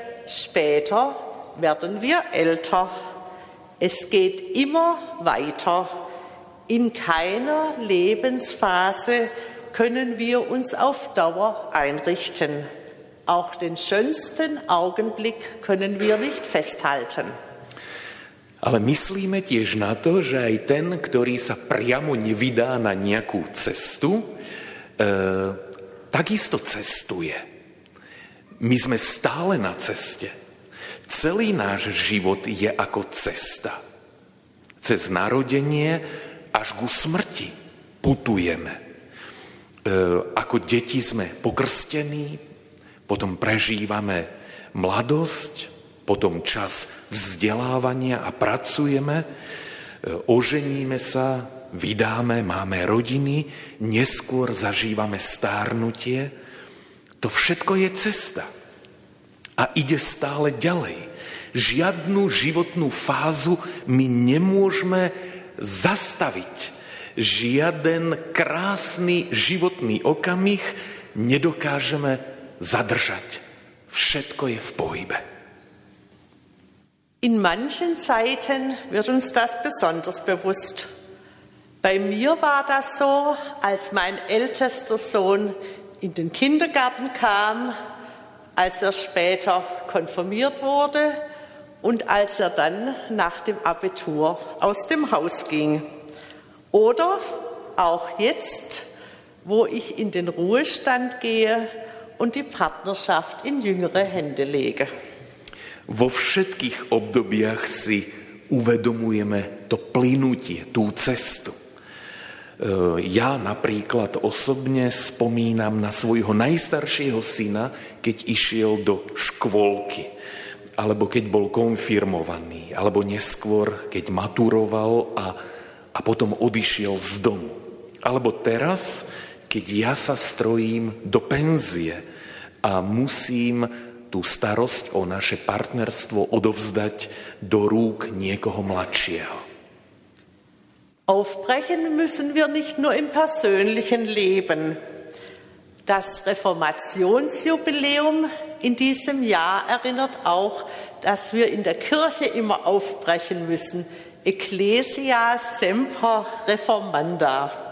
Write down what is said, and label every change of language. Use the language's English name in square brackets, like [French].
[German] Später werden wir älter. Es geht immer weiter. In keiner Lebensphase können wir uns auf Dauer einrichten. Auch den schönsten Augenblick können wir nicht festhalten. [Slovak] Ale myslíme tiež na to, že aj ten, ktorý sa priamo nevydá na nejakú cestu, takisto cestuje. My sme stále na ceste. Celý náš život je ako cesta. Cez narodenie až ku smrti putujeme. Ako deti sme pokrstení, potom prežívame mladosť, potom čas vzdelávania a pracujeme, oženíme sa, vydáme, máme rodiny, neskôr zažívame stárnutie. To všetko je cesta a ide stále ďalej. Žiadnu životnú fázu my nemôžeme zastaviť. žiaden krásny životný okamih nedokážeme zadržať. Všetko je v pohybe. [German] In manchen Zeiten wird uns das besonders bewusst. Bei mir war das so, als mein ältester Sohn in den Kindergarten kam, als er später konfirmiert wurde und als er dann nach dem Abitur aus dem Haus ging. Oder auch jetzt, wo ich in den Ruhestand gehe und die Partnerschaft in jüngere Hände lege. [Slovak] Vo všetkých obdobiach si uvedomujeme to plynutie, tú cestu. Ja napríklad osobne spomínam na svojho najstaršieho syna, keď išiel do škôlky, alebo keď bol konfirmovaný, alebo neskôr, keď maturoval a potom odišiel z domu. Alebo teraz, keď ja sa strojím do penzie a musím tú starosť o naše partnerstvo odovzdať do rúk niekoho mladšieho. [German] Aufbrechen müssen wir nicht nur im persönlichen Leben. Das Reformationsjubiläum in diesem Jahr erinnert auch, dass wir in der Kirche immer aufbrechen müssen. [Latin] Ecclesia semper reformanda.